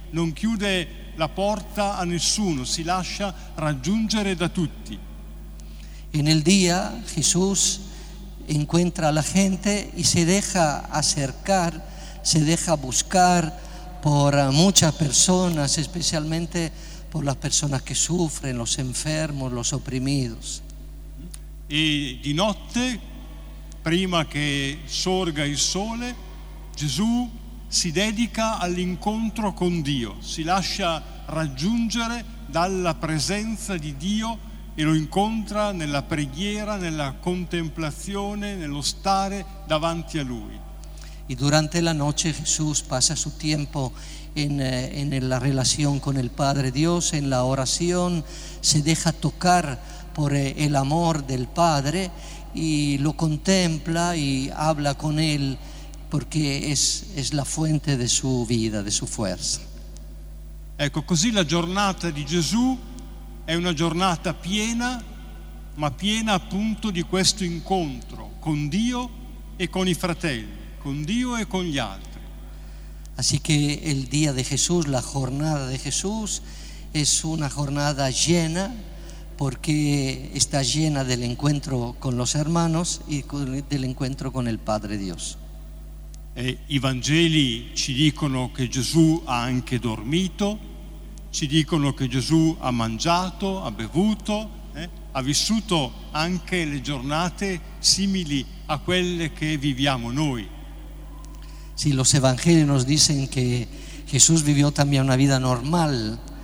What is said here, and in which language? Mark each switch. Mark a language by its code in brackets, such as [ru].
[it] Non chiude la porta a nessuno, si lascia raggiungere da tutti. E nel dia Gesù incontra la gente e [es] si deja acercar, si deja buscar por muchas personas, especialmente por las personas que sufren, los enfermos, los oprimidos. [it] E di notte, prima che sorga il sole, Gesù si dedica all'incontro con Dio, si lascia raggiungere dalla presenza di Dio e lo incontra nella preghiera, nella contemplazione, nello stare davanti a Lui. E durante la notte Gesù passa il suo tempo nella relazione con il Padre Dio, nella orazione, [es] si deja toccare por el amor del Padre y lo contempla y habla con él porque es la fuente de su vida, de su fuerza. [it] Ecco, così la giornata di Gesù è una giornata piena, ma piena appunto di questo incontro con Dio e con i fratelli, con Dio e con gli altri. [es] Así que el día de Jesús, la jornada de Jesús es una jornada llena porque está llena del encuentro con los hermanos y del encuentro con el Padre Dios. [it] I Vangeli ci dicono che Gesù ha anche dormito, ci dicono che Gesù ha mangiato, ha bevuto, ha vissuto anche le giornate simili a quelle che viviamo noi. [es] Sì, los Evangelios nos dicen que Jesús vivió también una vida normal.